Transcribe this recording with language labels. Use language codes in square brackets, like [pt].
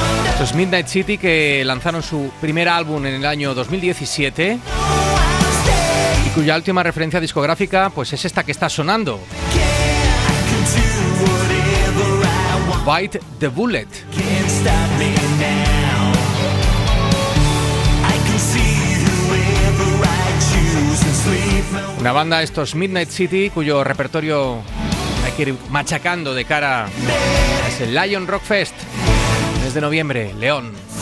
[es] Esto es Midnight City, que lanzaron su primer álbum en el año 2017 y cuya última referencia discográfica pues es esta que está sonando, Bite the Bullet. [en] Can't stop me now. I can see whoever. [es] La banda, estos Midnight City, cuyo repertorio hay que ir machacando de cara a ese Lyon Rock Fest, mes de noviembre, León.